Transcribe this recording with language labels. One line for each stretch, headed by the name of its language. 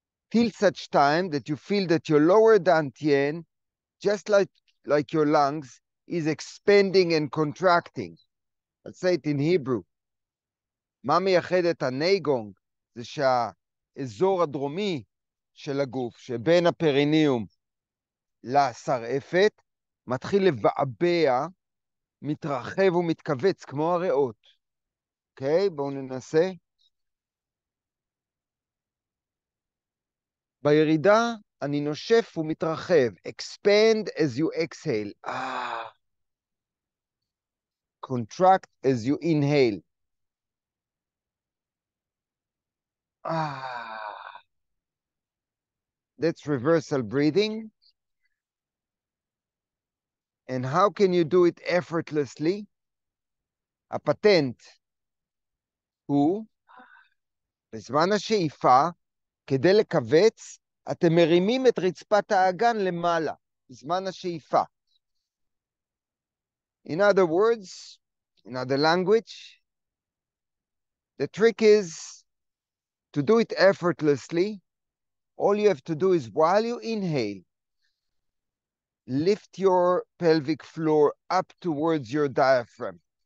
English: Till such time that you feel that your lower dantian, just like your lungs, is expanding and contracting. Let's say it in Hebrew.
Hebrew: מה מייחד את הנייגונג? זה שהאזור הדרומי של הגוף, שבין הפריניום לשרעפת, מתחיל לבעבע, מתרחב ומתכווץ, כמו הריאות. אוקיי, בואו ננסה. בירידה, אני נושף ומתרחב.
English: Expand as you exhale. Contract as you inhale. That's reversal breathing. And how can you do it effortlessly? A patent. Who?
Hebrew: בזמן השאיפה, כדי לכווץ, אתם מרימים את רצפת האגן למעלה, בזמן השאיפה.
English: In other words, in other language, the trick is to do it effortlessly. All you have to do is while you inhale, lift your pelvic floor up towards your diaphragm.